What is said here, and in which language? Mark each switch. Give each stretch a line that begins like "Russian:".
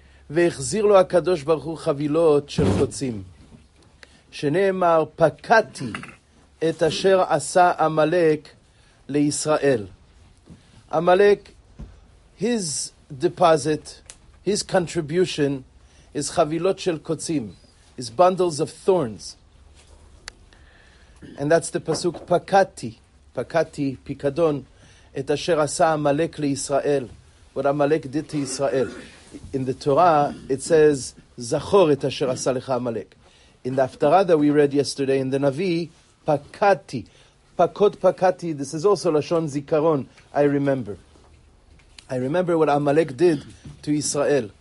Hebrew: והחזיר לו הקדוש ברוך הוא חבילות של חוצים. שנאמר, פקעתי את אשר עשה עמלק לישראל.
English: עמלק, his deposit, his contribution, is
Hebrew: חבילות של קוצים,
English: is bundles of thorns. And that's the pasuk,
Hebrew: פקעתי, פיקדון, את אשר עשה עמלק לישראל.
English: What עמלק did to Israel. In the Torah, it says,
Hebrew: Zachor et asher asa lecha Amalek.
English: In the Haftarah that we read yesterday, in the Navi, Pakati. Pakot Pakati. This is also Lashon Zikaron. I remember what Amalek did to Israel.